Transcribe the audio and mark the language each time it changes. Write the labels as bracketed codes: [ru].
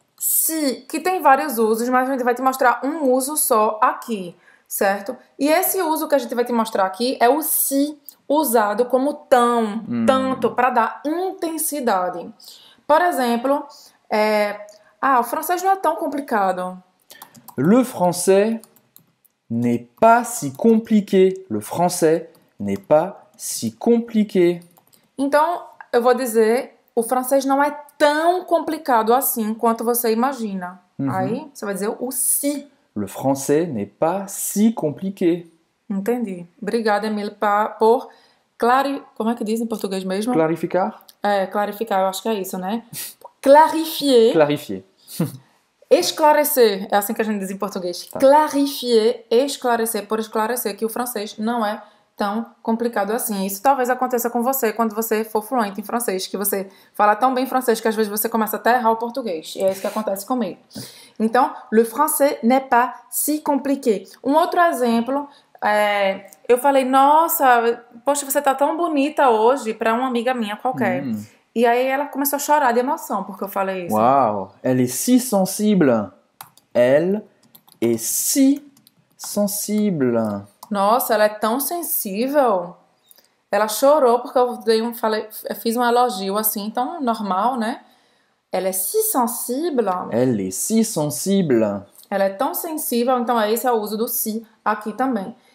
[pt] Si, que tem vários usos, mas a gente vai te mostrar um uso só aqui, certo? E esse uso que a gente vai te mostrar aqui é o si usado como tão, tanto, para dar intensidade. Por exemplo, o francês não é tão complicado. [fr] Le français n'est pas si compliqué. Le français n'est pas si compliqué. [pt] Então, eu vou dizer, o francês não é tão complicado assim quanto você imagina. Uhum. Aí, você vai dizer o si. [fr] Le français n'est pas si compliqué. [pt] Entendi. Obrigada, Emile, por como é que diz em português mesmo? Clarificar. Clarificar, eu acho que é isso, né? [fr] Clarifier. Clarifier. [pt] Esclarecer, é assim que a gente diz em português. Tá. Clarifier, esclarecer, por esclarecer que o francês não é tão complicado assim. Isso talvez aconteça com você quando você for fluente em francês, que você fala tão bem francês que às vezes você começa até a errar o português. E é isso que acontece comigo. [fr] Então, le français n'est pas si compliqué. [pt] Um outro exemplo, eu falei, nossa, poxa, você tá tão bonita hoje para uma amiga minha qualquer. E aí ela começou a chorar de emoção porque eu falei isso. [fr] Uau, elle est si sensible. Elle est si sensible. [pt] Nossa, ela é tão sensível. Ela chorou porque eu fiz um elogio assim, tão normal, né? [fr] Elle est si sensible. Elle est si sensible. [pt] Ela é tão sensível, então esse é o uso do si aqui também.